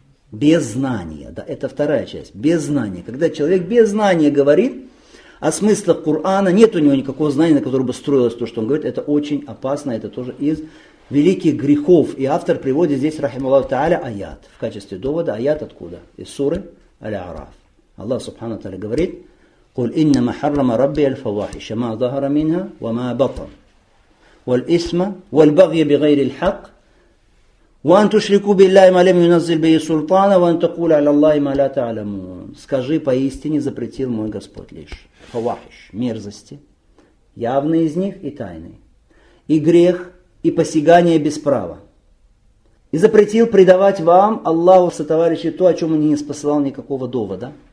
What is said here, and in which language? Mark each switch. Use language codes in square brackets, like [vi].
[ru] Без знания. Да, это вторая часть, без знания. Когда человек без знания говорит о смыслах Корана, нет у него никакого знания, на котором бы строилось то, что он говорит, это очень опасно, это тоже из великих грехов. И автор приводит здесь, рахималлаху тааля, аят. В качестве довода аят откуда? Из суры Аль-Араф. Аллах Субхану тааля говорит: [ar] قل إنما حرم ربي الفواحش ما ظهر منها وما بطن والإثم والبغي بغير الحق وأن تشركوا بالله ما لم ينزل به سلطانا وأن تقولوا على الله ما لا تعلمون. [ru] Скажи, поистине запретил мой Господь лишь фавахиш, мерзости, явные из них и тайные, и грех, и посягание без права. И запретил предавать вам, Аллаху сотоварищи, то, о чем он не посылал никакого довода.